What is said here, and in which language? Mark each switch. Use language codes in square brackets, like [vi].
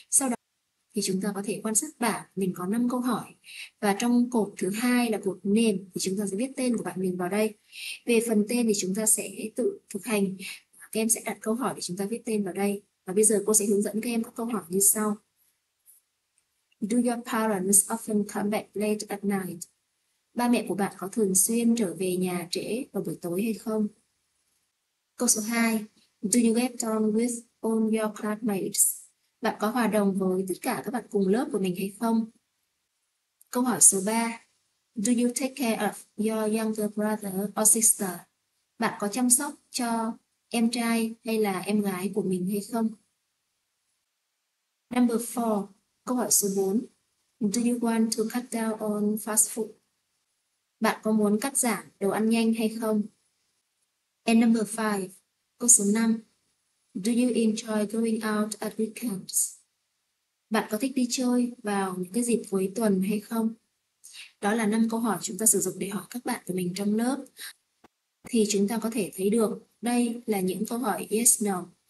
[vi] Sau đó thì chúng ta có thể quan sát bảng, mình có 5 câu hỏi. Và trong cột thứ hai là cột name thì chúng ta sẽ viết tên của bạn mình vào đây. Về phần tên thì chúng ta sẽ tự thực hành. Các em sẽ đặt câu hỏi để chúng ta viết tên vào đây. Và bây giờ cô sẽ hướng dẫn các em các câu hỏi như sau. [en] Do your parents often come back late at night? [vi] Ba mẹ của bạn có thường xuyên trở về nhà trễ vào buổi tối hay không? Câu số 2. [en] Do you get on with all your classmates? [vi] Bạn có hòa đồng với tất cả các bạn cùng lớp của mình hay không? Câu hỏi số 3. [en] Do you take care of your younger brother or sister? [vi] Bạn có chăm sóc cho em trai hay là em gái của mình hay không? [en] Number 4. [vi] Câu hỏi số 4. Do you want to cut down on fast food? Bạn có muốn cắt giảm đồ ăn nhanh hay không? [en] And number 5. [vi] Câu số 5. [en] Do you enjoy going out at weekends? [vi] Bạn có thích đi chơi vào những cái dịp cuối tuần hay không? Đó là 5 câu hỏi chúng ta sử dụng để hỏi các bạn của mình trong lớp. Thì chúng ta có thể thấy được đây là những câu hỏi yes, no.